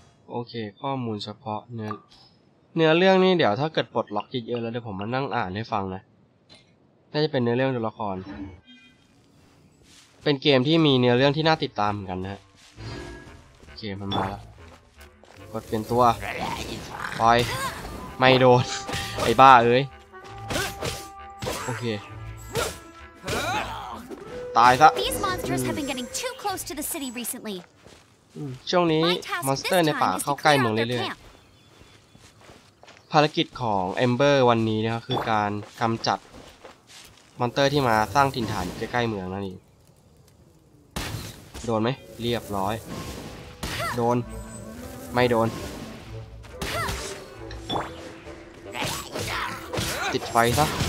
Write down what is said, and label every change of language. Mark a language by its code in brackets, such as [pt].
[th] โอเคข้อมูลเฉพาะเนื้อเรื่องนี่เดี๋ยวถ้าเกิดปลดล็อกเยอะๆแล้วเดี๋ยวผมมานั่งอ่านให้ฟังนะน่าจะเป็นเนื้อเรื่องตัวละครเป็นเกมที่มีเนื้อเรื่องที่น่าติดตามเหมือนกันนะโอเคมันมาแล้วกดเป็นตัวปล่อยไม่โดนไอ้บ้าเอ้ยโอเคตายซะ [en] These monsters have been getting too close to the city recently. [th] ช่วงนี้มอนสเตอร์ในป่าเข้าใกล้เมืองเรื่อยๆภารกิจของเอมเบอร์วันนี้นะครับคือการกำจัดมอนสเตอร์ที่มาสร้างถิ่นฐานใกล้ๆเมืองนั่นเองโดนไหมเรียบร้อยโดนไม่โดนติดไฟซะ